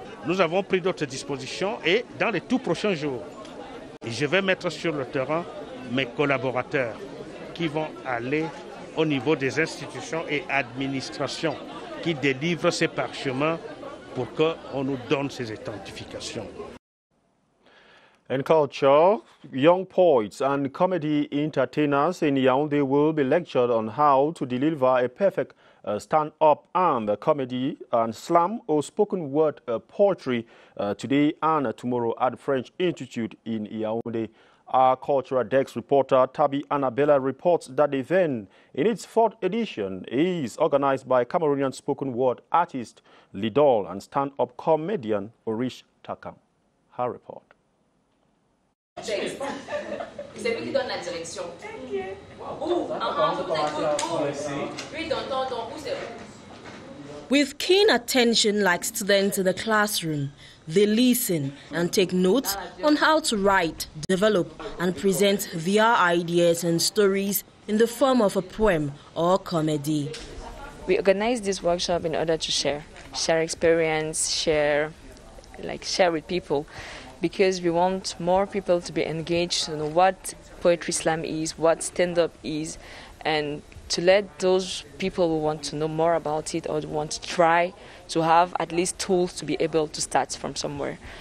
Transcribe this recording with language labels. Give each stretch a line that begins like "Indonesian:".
French: Nous avons pris d'autres dispositions et dans les tout prochains jours, je vais mettre sur le terrain mes collaborateurs qui vont aller au niveau des institutions et administrations qui délivrent ces parchemins pour qu'on nous donne ces authentifications.
English: In culture, young poets and comedy entertainers in Yaoundé will be lectured on how to deliver a perfect stand-up and comedy and slam or spoken word poetry today and tomorrow at French Institute in Yaoundé. Our Cultural Desk reporter Tabi Annabella reports that the event in its 4th edition is organized by Cameroonian spoken word artist Lidol and stand-up comedian Orish Takam. Her report.
French: C'est lui qui donne la direction.
English: Thank you.
French: Où? Vous êtes où? Oui, dans où c'est où?
English: With keen attention like students in the classroom, they listen and take notes on how to write, develop, and present their ideas and stories in the form of a poem or comedy. We organize this workshop in order to share experience, share with people, because we want more people to be engaged in what poetry slam is, what stand-up is, and to let those people who want to know more about it or want to try to have at least tools to be able to start from somewhere.